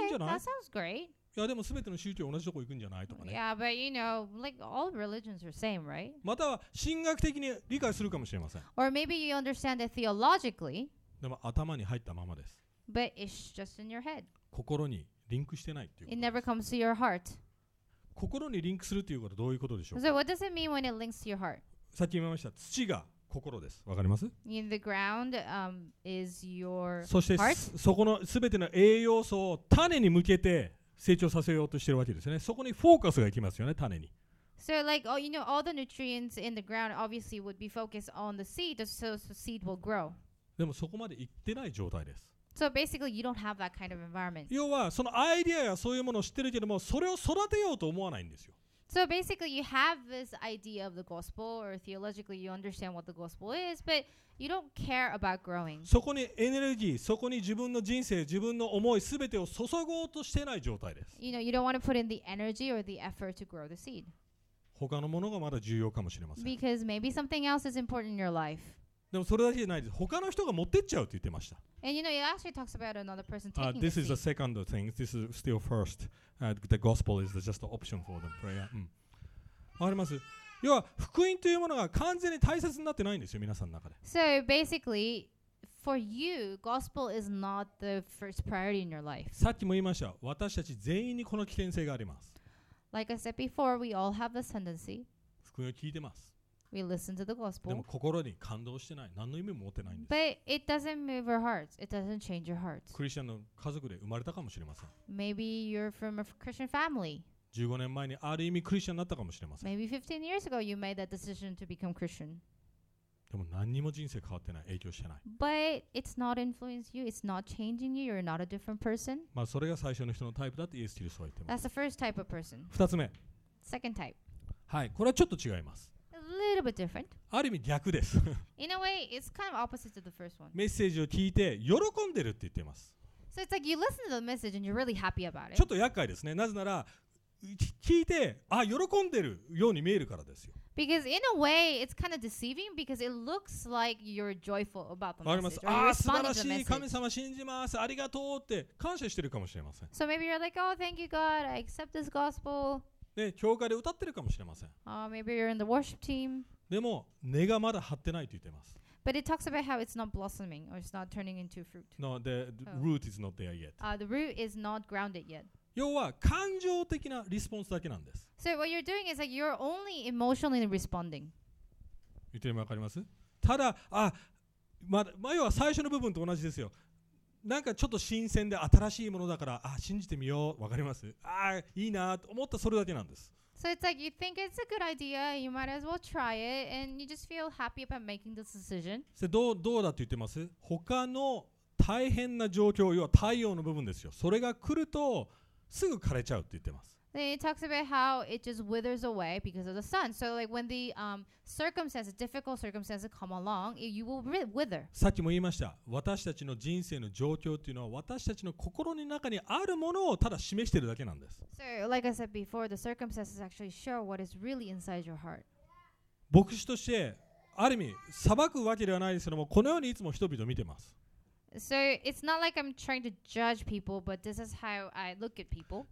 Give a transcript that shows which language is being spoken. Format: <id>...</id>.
<ja>いいんじゃない?</ja> <en>that sounds great.</en> <ja>いや、でも全ての宗教同じとこ行くんじゃないとかね。</ja> <en>Yeah, but you know, like, all religions are same, right?</en> <ja>または神学的に理解するかもしれません。</ja> <en>Or maybe you understand it theologically.</en> <ja>でも頭に入ったままです。</ja> <en>But it's just in your head.</en> <ja>心にリンクしてないっていうことです。</ja> <en>It never comes to your heart.</en> <ja>心にリンクするということはどういうことでしょうか?</ja> <en>So what does it mean when it links to your heart?</en> <ja>さっき言いました。土が心です。わかります?</ja> <en>In the ground, is your heart.</en> <ja>そしてそこのすべての栄養素を種に向けて成長させようとしているわけですね。そこにフォーカスがいきますよね、種に。</ja> <en>So like, oh, you know, all the nutrients in the ground obviously would be focused on the seed, so the seed will grow.</en> <ja>でもそこまで行ってない状態です。</ja> <en>So basically, you don't have that kind of environment.</en> <ja>要はそのアイデアやそういうものを知ってるけども、それを育てようと思わないんですよ。</ja> <en>So basically, you have this idea of the gospel, or theologically, you understand what the gospel is, but you don't care about growing.</en> <ja>そこにエネルギー、そこに自分の人生、自分の思い、すべてを注ごうとしてない状態です。</ja> <en>You know, you don't want to put in the energy or the effort to grow the seed.</en> <ja>他のものがまだ重要かもしれません。</ja> <en>Because maybe something else is important in your life.</en> <ja>でもそれだけじゃないです。他の人が持ってっちゃうって言ってました。</ja> <en>And you know, it actually talks about another person taking this is the second thing. This is still first. The gospel is just an option for the prayer.</en> <ja>わかります。要は福音というものが完全に大切になってないんですよ、皆さんの中で。</ja> <en>So basically, for you, gospel is not the first priority in your life.</en> <ja>さっきも言いました。私たち全員にこの危険性があります。</ja> <en>Like I said before, we all have this tendency.</en> <ja>福音を聞いてます。</ja> <en>We listen to the gospel.</en> <ja>でも心に感動してない。何の意味も持ってないんです。</ja> <en>But it doesn't move your hearts. It doesn't change your hearts.</en> <ja>クリスチャンの家族で生まれたかもしれません。</ja> <en>Maybe you're from a Christian family.</en> <ja>15年前にある意味クリスチャンになったかもしれません。</ja> <en>Maybe 15 years ago you made that decision to become Christian.</en> <ja>でも何にも人生変わってない。影響してない。</ja> <en>But it's not influencing you. It's not changing you. You're not a different person.</en> <ja>まあそれが最初の人のタイプだってイエス・キリストは言ってます。</ja> <en>That's the first type of person.</en> <ja>二つ目。</ja> <en>Second type.</en> <ja>はい、これはちょっと違います。</ja> <en>Little bit different.</en> <ja>ある意味逆です。</ja> <en>In a way, it's kind of opposite to the first one.</en> <ja>メッセージを聞いて喜んでるって言ってます。</ja> <en>So it's like you listen to the message and you're really happy about it.</en> <ja>ちょっと厄介ですね。なぜなら聞いてあ喜んでるように見えるからですよ。</ja> <en>Because in a way, it's kind of deceiving because it looks like you're joyful about the message.</en> <ja>あります。ああ素晴らしい神様信じます。ありがとうって感謝してるかもしれません。</ja> <en>So maybe you're like, oh, thank you, God. I accept this gospel.</en> <ja>ね、教会で歌ってるかもしれません。</ja> <en>Maybe you're in the worship team.</en> <ja>でも根がまだ張ってないと言ってます。</ja> <en>But it talks about how it's not blossoming or it's not turning into fruit. No, the root is not there yet. The root is not grounded yet.</en> <ja>要は感情的なリスポンスだけなんです。</ja> <en>So what you're doing is like you're only emotionally responding.</en> <ja>言ってるのわかります？ただあ、まあ、要は最初の部分と同じですよ。なんかちょっと新鮮で新しいものだから、あ、信じてみよう、わかります。あ、いいなと思ったそれだけなんです。</ja> <en>So it's like you think it's a good idea, you might as well try it, and you just feel happy about making this decision.</en> <ja>で、どうだって言ってます？他の大変な状況、要は太陽の部分ですよ。それが来るとすぐ枯れちゃうって言ってます。</ja> <en>Then it talks about how it just withers away because of the sun. So like when the circumstances, difficult circumstances come along, you will wither.</en> <ja>さっきも言いました。私たちの人生の状況というのは私たちの心の中にあるものをただ示しているだけなんです。</ja> <en>So like I said before, the circumstances actually show what is really inside your heart.</en> <ja>牧師としてある意味裁くわけではないですけども、このようにいつも人々を見てます。</ja> <en>So it's not like I'm trying to judge people, but this is how I look at people.</en>